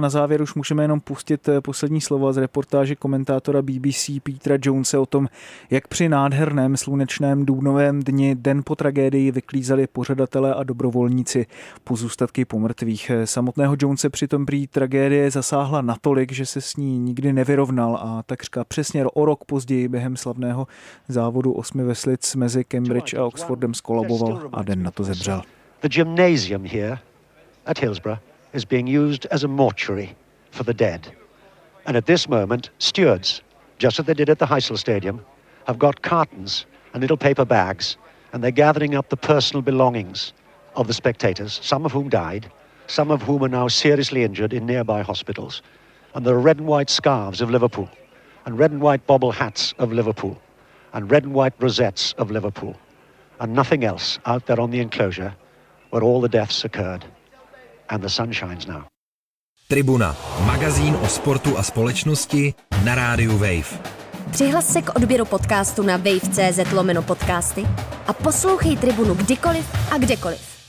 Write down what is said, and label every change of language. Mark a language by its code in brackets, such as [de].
[cs] Na závěr už můžeme jenom pustit poslední slova z reportáže komentátora BBC Petra Jonese o tom, jak při nádherném slunečném dubnovém dni den po tragédii vyklízeli pořadatelé a dobrovolníci pozůstatky pomrtvých. Samotného Jonese přitom prý tragédie zasáhla natolik, že se s ní nikdy nevyrovnal a takřka přesně o rok později během slavného závodu Veslic mezi Cambridge a Oxfordem skolaboval a den na to zemřel. [en] The gymnasium here at Hillsborough is being used as a mortuary for the dead. And at this moment, stewards, just as they did at the Heysel Stadium, have got cartons and little paper bags and they're gathering up the personal belongings of the spectators, some of whom died, some of whom are now seriously injured in nearby hospitals. And the red and white scarves of Liverpool and red and white bobble hats of Liverpool and red and white rosettes of Liverpool, and nothing else out there on the enclosure where all the deaths occurred, and the sun shines now. [cs] Tribuna, magazín o sportu a společnosti na rádiu Wave. Přihlas se k odběru podcastu na wave.cz/podcasty a poslouchej Tribunu kdykoliv a kdekoliv.